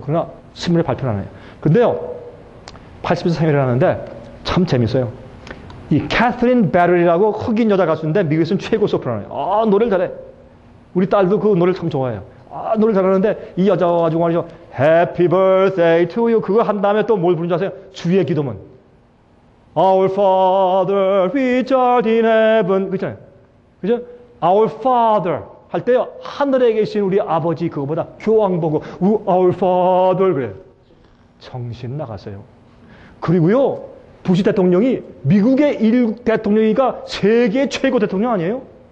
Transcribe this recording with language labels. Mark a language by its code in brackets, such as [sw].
[ko] 그러나 스물에 발표를 안 해요. 근데요, 80에서 생일을 하는데 참 재밌어요. 이 캐서린 베럴이라고 흑인 여자 가수인데 미국에서는 최고 소프라노예요. 아, 노래를 잘해. 우리 딸도 그 노래를 참 좋아해요. 아, 노래를 잘하는데 이 여자와 가지고 말이죠. [en] Happy birthday to you. [ko] 그거 한 다음에 또 뭘 부른 줄 아세요? 주의 기도문. [en] Our Father, which art in heaven. [ko] 그렇잖아요. 그죠? [en] Our Father. [ko] 할 때요, 하늘에 계신 우리 아버지 그거보다 교황 보고 [en] Our Father [ko] 그래. 정신 나갔어요. 그리고요, 부시 대통령이 미국의 일국 대통령이니까 세계 최고 대통령 아니에요?